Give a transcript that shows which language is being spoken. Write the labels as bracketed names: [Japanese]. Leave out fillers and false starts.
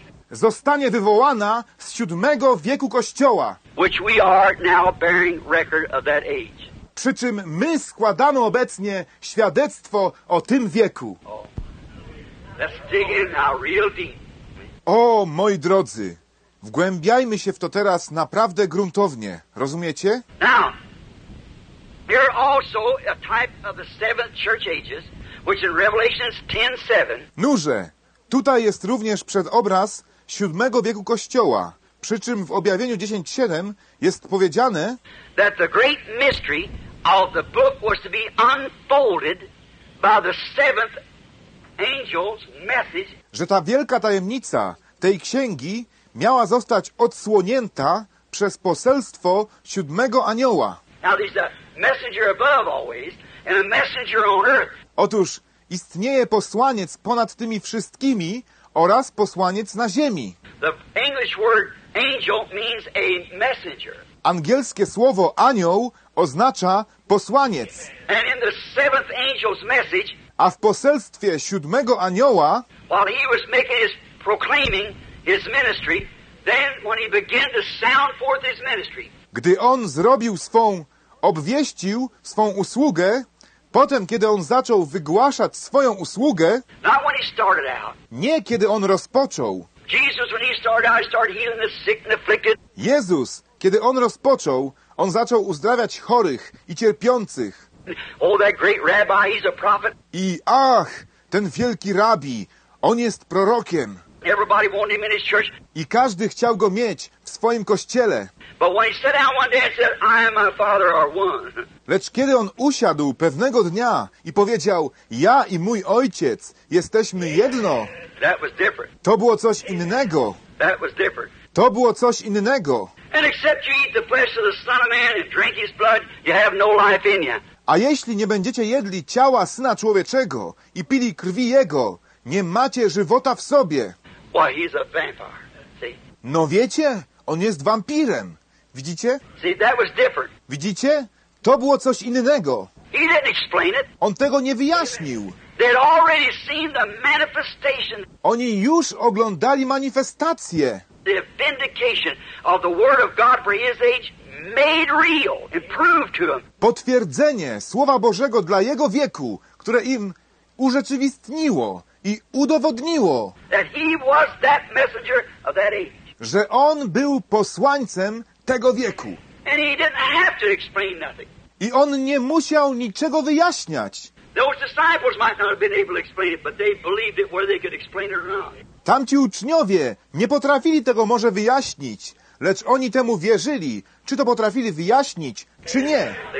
[Polish] Zostanie wywołana z siódmego wieku Kościoła. [English] Which we are now bearing record of that age. [Polish] Przy czym my składamy obecnie świadectwo o tym wieku. Oh. [English] Let's dig in now real deep. [Polish] O, moi drodzy, wgłębiajmy się w to teraz naprawdę gruntownie. Rozumiecie? [English] Now, you're also a type of the seventh church ages, which in Revelation 10:7. [Polish] Noże, tutaj jest również przedobraz siódmego wieku Kościoła. Przy czym w objawieniu 10:7 jest powiedziane, [English] that the great mystery of the book was to be unfolded by the seventh angel's message. [Polish] Że ta wielka tajemnica tej księgi miała zostać odsłonięta przez poselstwo siódmego anioła. [English] Now there's a messenger above always and a messenger on earth. [Polish] Otóż istnieje posłaniec ponad tymi wszystkimi oraz posłaniec na ziemi. [English] The English word angel means a messenger. [Polish] Angielskie słowo anioł oznacza posłaniec. [English] And in the seventh angel's message, [Polish] a w poselstwie siódmego anioła, [English] while he was making his proclaiming his ministry, then when he began to sound forth his ministry, [Polish] gdy on zrobił swą, obwieścił swą usługę, potem, kiedy on zaczął wygłaszać swoją usługę, [English] not when he started out, [Polish] nie kiedy on rozpoczął, [English] Jesus, when he started out, he started healing the sick and afflicted. [Polish] Jezus, kiedy on rozpoczął, on zaczął uzdrawiać chorych i cierpiących. [English] Oh, that great rabbi, he's a prophet. [Polish] I ach, ten wielki rabbi, on jest prorokiem. [English] Everybody wanted him in his church. [Polish] I każdy chciał go mieć w swoim kościele. [English] But when he sat down one day and said, I and my father are one. [Polish] Lecz kiedy on usiadł pewnego dnia i powiedział, ja i mój ojciec jesteśmy jedno. [English] That was different. [Polish] To było coś innego. [English] That was different. [Polish] To było coś innego. [English] And except you eat the flesh of the Son of Man and drink his blood, you have no life in you. [Polish] A jeśli nie będziecie jedli ciała Syna Człowieczego i pili krwi Jego, nie macie żywota w sobie. [English] Why, he's a vampire, see? [Polish] No wiecie, on jest wampirem. Widzicie? [English] See, that was different. [Polish] Widzicie? To było coś innego. [English] He didn't explain it. [Polish] On tego nie wyjaśnił. [English] They'd already seen the manifestation. [Polish] Oni już oglądali manifestację. [English] The vindication of the word of God for his age. Made real and proved to them. [Polish] Potwierdzenie Słowa Bożego dla jego wieku, które im urzeczywistniło i udowodniło, [English] that he was that messenger of that age. [Polish] Że on był posłańcem tego wieku. [English] And he didn't have to explain nothing. [Polish] I on nie musiał niczego wyjaśniać. [English] Those disciples might not have been able to explain it, but they believed it where they could explain it or not. [Polish] Tamci uczniowie nie potrafili tego może wyjaśnić, lecz oni temu wierzyli, czy to potrafili wyjaśnić, czy nie.